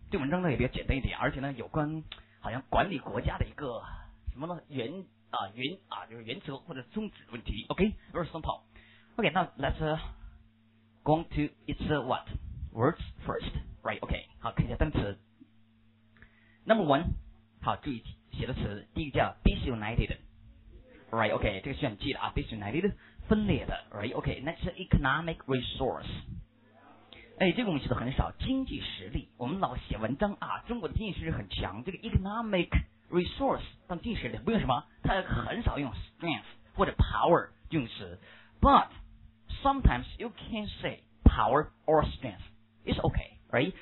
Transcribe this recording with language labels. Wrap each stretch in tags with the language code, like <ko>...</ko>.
<zh>这文章呢也比较简单一点，而且呢有关好像管理国家的一个什么呢就是原则或者宗旨问题。</zh> <en>OK, very simple. OK, now let's go to it's what? Words first. Right, OK.</en> <zh>好，看一下单词。</zh> <en>Number one,</en> <zh>好，注意写的词，第一个叫 disunited.</zh> <en>Right, OK,</en> <zh>这个需要你记得啊， disunited, 分裂的。</zh> <en>Right, OK, next economic resource.</en> <zh>哎，这个我们写的很少，经济实力，我们老写文章啊，中国的经济实力很强，这个 economic resource 当经济实力不用什么，它很少用 strength 或者 power 用词，</zh> <en>but sometimes you can say power or strength, it's okay, right?</en>